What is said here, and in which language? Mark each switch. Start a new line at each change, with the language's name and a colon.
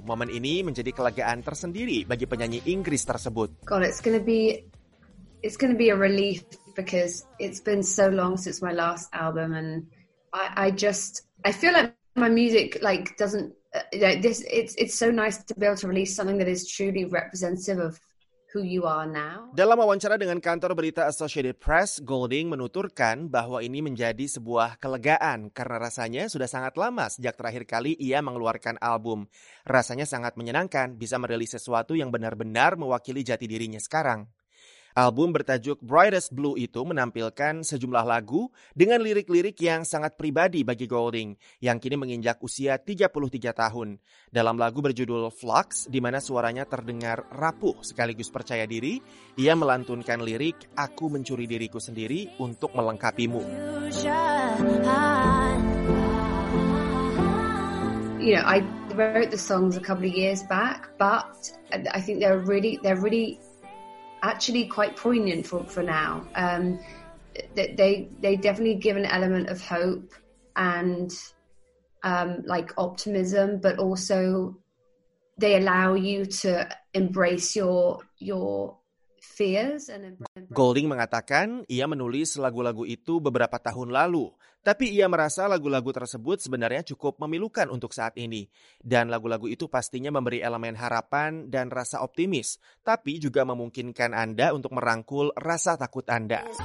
Indonesian: Momen ini menjadi kelegaan tersendiri bagi penyanyi Inggris tersebut.
English: God, it's gonna be a relief because it's been so long since my last album and I feel like my music like doesn't like this. It's so nice to be able to release something that is truly representative of who you are now.
Indonesian: Dalam wawancara dengan kantor berita Associated Press, Goulding menuturkan bahwa ini menjadi sebuah kelegaan karena rasanya sudah sangat lama sejak terakhir kali ia mengeluarkan album. Rasanya sangat menyenangkan bisa merilis sesuatu yang benar-benar mewakili jati dirinya sekarang. Album bertajuk Brightest Blue itu menampilkan sejumlah lagu dengan lirik-lirik yang sangat pribadi bagi Goulding, yang kini menginjak usia 33 tahun. Dalam lagu berjudul Flux, di mana suaranya terdengar rapuh sekaligus percaya diri, ia melantunkan lirik, "Aku mencuri diriku sendiri untuk melengkapimu."
English: You know, I wrote the songs a couple of years back, but I think they're really actually quite poignant for now. They definitely give an element of hope and like optimism, but also they allow you to embrace your fears and embrace.
Indonesian: Goulding mengatakan ia menulis lagu-lagu itu beberapa tahun lalu, tapi ia merasa lagu-lagu tersebut sebenarnya cukup memilukan untuk saat ini. Dan lagu-lagu itu pastinya memberi elemen harapan dan rasa optimis, tapi juga memungkinkan Anda untuk merangkul rasa takut Anda.